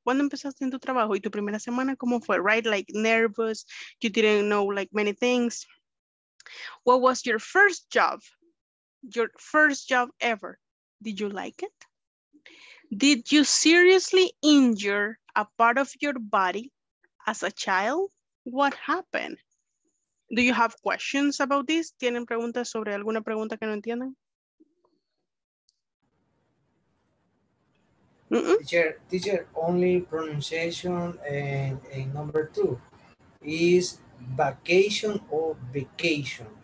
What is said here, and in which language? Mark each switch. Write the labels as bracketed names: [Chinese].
[Spanish] ¿Cuándo empezaste en tu trabajo y tu primera semana cómo fue? [English] Right, like nervous, you didn't know like many things. What was your first job? Your first job ever. Did you like it? Did you seriously injure a part of your body as a child? What happened? Do you have questions about this? [Spanish] ¿Tienen preguntas sobre alguna pregunta que no entiendan? Mm-hmm. [English] Teacher, only pronunciation and number two is vacation or vacation?